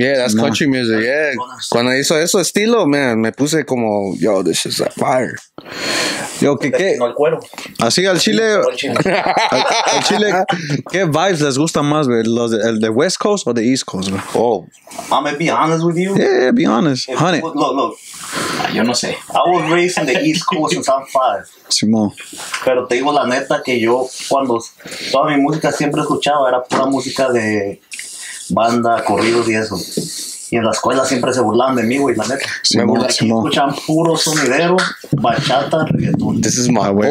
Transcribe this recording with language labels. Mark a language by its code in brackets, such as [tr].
[en] Yeah, that's country music. That's yeah. [es] Cuando hizo eso estilo, man, me puse como, [en] yo, this is a fire. [es] Yo, ¿qué? No, el cuero. Así, al chile. Al chile, ¿qué vibes les gusta más, güey? ¿Los de, el de West Coast o de East Coast, güey? Oh. [en] I'm gonna be honest with you. Yeah, yeah, be honest. If, honey. Look. [es] Yo no sé. [en] I was raised in the East Coast since I'm 5. [es] Simón. Pero te digo la neta que yo, cuando toda mi música siempre escuchaba, era pura música de banda, corridos y eso. Y en la escuela siempre se burlaban de mí, güey, la neta. Sí, me escuchan puro sonidero, bachata, reggaetón. [en] This is my way,